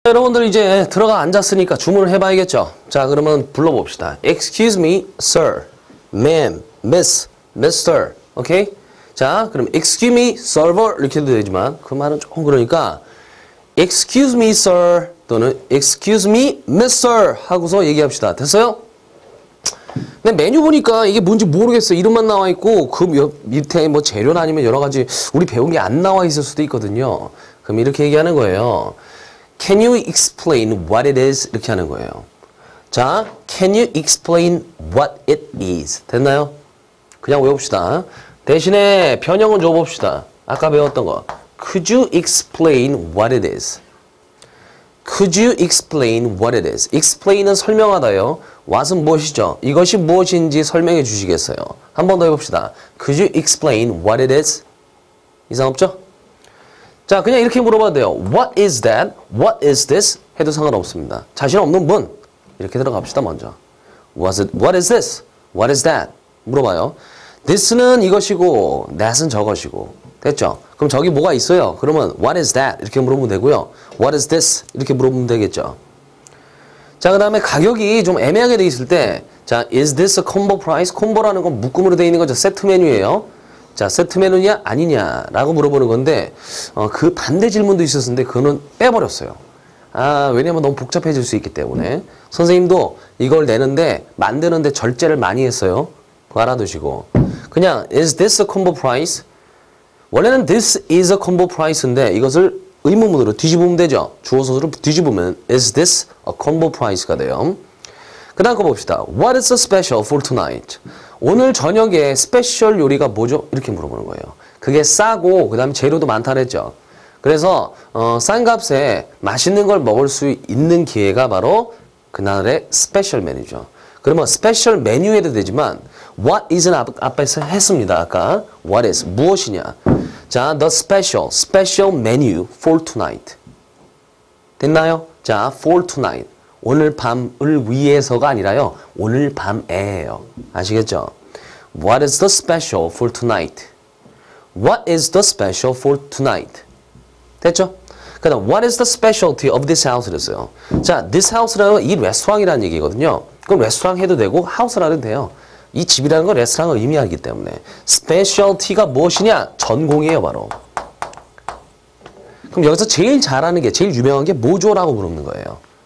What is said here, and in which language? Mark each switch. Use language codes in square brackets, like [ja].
[ko] 여러분들 이제 들어가 앉았으니까 주문을 해봐야겠죠? 자, 그러면 불러봅시다. [en] Excuse me, sir, ma'am, miss, mister, okay? [ko] 자, 그럼 [en] excuse me, server [ko] 이렇게 해도 되지만 그 말은 조금 그러니까 [en] excuse me, sir [ko] 또는 [en] excuse me, mister [ko] 하고서 얘기합시다. 됐어요? 근데 메뉴 보니까 이게 뭔지 모르겠어요. 이름만 나와 있고 그 밑에 뭐 재료나 아니면 여러 가지 우리 배운 게 안 나와 있을 수도 있거든요. 그럼 이렇게 얘기하는 거예요. [en] Can you explain what it is? [ko] 이렇게 하는 거예요. [en] 자, can you explain what it is? [ko] 됐나요? 그냥 외웁시다. 대신에 변형은 줘봅시다. 아까 배웠던 거. [en] Could you explain what it is? Could you explain what it is? [ko] Explain은 설명하다요. What은 무엇이죠? 이것이 무엇인지 설명해 주시겠어요. 한 번 더 해봅시다. [en] Could you explain what it is? [ko] 이상 없죠? 자, 그냥 이렇게 물어봐도 돼요. [en] What is that? What is this? [ko] 해도 상관없습니다. 자신 없는 분. 이렇게 들어갑시다, 먼저. [en] Was it, what is this? What is that? 물어봐요. [ko] This는 이것이고, that은 저것이고. 됐죠? 그럼 저기 뭐가 있어요? [en] 그러면 What is that? [ko] 이렇게 물어보면 되고요. [en] What is this? [ko] 이렇게 물어보면 되겠죠. 자, 그 다음에 가격이 좀 애매하게 돼 있을 때 자, [en] is this a combo price? [ko] combo라는 건 묶음으로 돼 있는 거죠. 세트 메뉴예요. 자, 세트 메뉴냐 아니냐 라고 물어보는 건데 그 반대 질문도 있었는데 그거는 빼버렸어요. 아, 왜냐면 너무 복잡해질 수 있기 때문에 선생님도 이걸 내는데 만드는데 절제를 많이 했어요. 그거 알아두시고 그냥 [en] is this a combo price? [ko] 원래는 [en] this is a combo price [ko] 인데 이것을 의문문으로 뒤집으면 되죠. 주어선수로 뒤집으면 [en] is this a combo price [ko] 가 돼요. 그 다음 거 봅시다. [en] What is a special for tonight? [ko] 오늘 저녁에 스페셜 요리가 뭐죠? 이렇게 물어보는 거예요. 그게 싸고 그 다음에 재료도 많다 그랬죠. 그래서 싼 값에 맛있는 걸 먹을 수 있는 기회가 바로 그날의 스페셜 메뉴죠. 그러면 스페셜 메뉴에도 되지만 What is은 앞에서 했습니다. [en] 아까 What is? [ko] 무엇이냐? [en] 자, The special, special menu for tonight. [ko] 됐나요? [en] 자, for tonight. [ko] 오늘 밤을 위해서가 아니라요. 오늘 밤에예요. 아시겠죠? [en] What is the special for tonight? What is the special for tonight? [ko] 됐죠? 그 다음, [en] What is the specialty of this house? [ko] 이랬어요. 자, this house라는 이 레스토랑이라는 얘기거든요. 그럼 레스토랑 해도 되고 하우스라도 돼요. 이 집이라는 건 레스토랑을 의미하기 때문에 스페셜티가 무엇이냐? 전공이에요, 바로. 그럼 여기서 제일 잘하는 게, 제일 유명한 게 뭐죠? 라고 물어보는 거예요.